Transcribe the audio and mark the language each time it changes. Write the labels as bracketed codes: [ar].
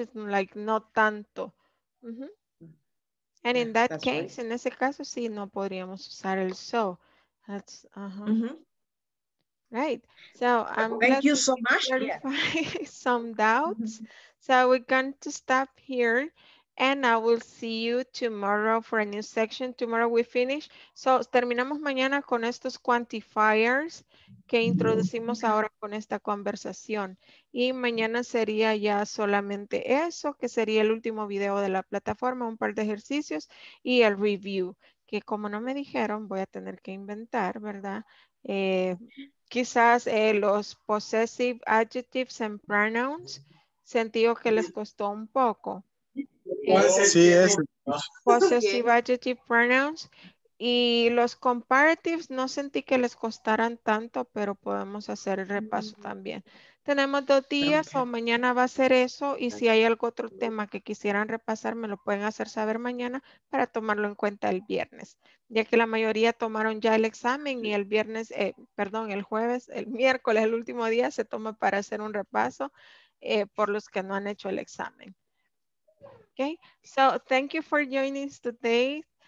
[en] It's like [es] no tanto. Mm-hmm. [en] And in that that's case, right. [es] En ese caso, sí, no podríamos usar el so. [en] That's Right. So thank you so much. Some doubts. Mm-hmm. So we're going to stop here, and I will see you tomorrow for a new section. Tomorrow we finish. [es] So terminamos mañana con estos quantifiers que introducimos ahora con esta conversación. Y mañana sería ya solamente eso, que sería el último video de la plataforma, un par de ejercicios y el review. Que como no me dijeron, voy a tener que inventar, ¿verdad? Quizás los possessive adjectives and pronouns, sentí que les costó un poco. Sí, es. [en] Possessive adjective pronouns. [es] Y los comparatives no sentí que les costaran tanto, pero podemos hacer el repaso también. Tenemos dos días o mañana va a ser eso. Y si hay algún otro tema que quisieran repasar, me lo pueden hacer saber mañana para tomarlo en cuenta el viernes. Ya que la mayoría tomaron ya el examen y el viernes, perdón, el jueves, el miércoles, el último día se toma para hacer un repaso por los que no han hecho el examen. [en] Okay, so thank you for joining us today.